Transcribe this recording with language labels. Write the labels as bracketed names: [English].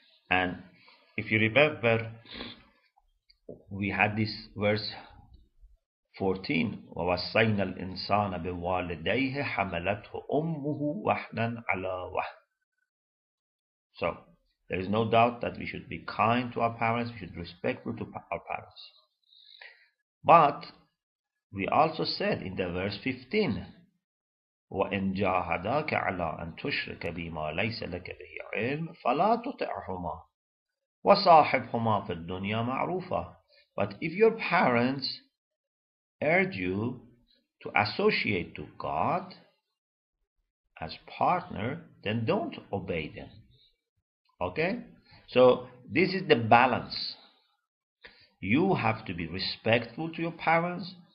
[English] And if you remember, we had this verse 14, [Arabic] وَوَصَّيْنَا الْإِنسَانَ بِوَالِدَيْهِ حَمَلَتْهُ أُمُّهُ وَحْنًا عَلَىٰ وَحْنًا. [English] So, there is no doubt that we should be kind to our parents, we should be respectful to our parents. But, we also said in the verse 15, [Arabic] وَإِن جَاهَدَاكَ عَلَىٰ أَن تُشْرِكَ بِمَا لَيْسَ لَكَ بِهِ عِلْمٍ فَلَا تُطِعْهُمَا وَصَاحِبْهُمَا فِي الدُّنْيَا مَعْرُوفًا. [English] But if your parents urge you to associate to God as partner, then don't obey them. Okay? So, this is the balance. You have to be respectful to your parents.